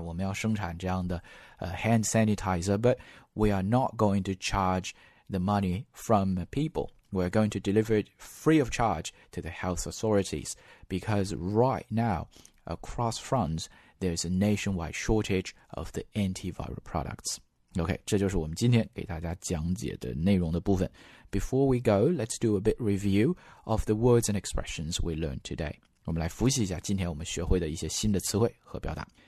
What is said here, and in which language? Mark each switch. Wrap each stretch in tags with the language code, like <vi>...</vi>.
<zh>我们要生产这样的</zh> <en>hand sanitizer, but we are not going to charge the money from people. We are going to deliver it free of charge to the health authorities because right now across France there is a nationwide shortage of the antiviral products.</en> <zh>OK, 这就是我们今天给大家讲解的内容的部分。</zh> <en>Before we go, let's do a bit review of the words and expressions we learned today.</en> <zh>我们来复习一下今天我们学会的一些新的词汇和表达。</zh>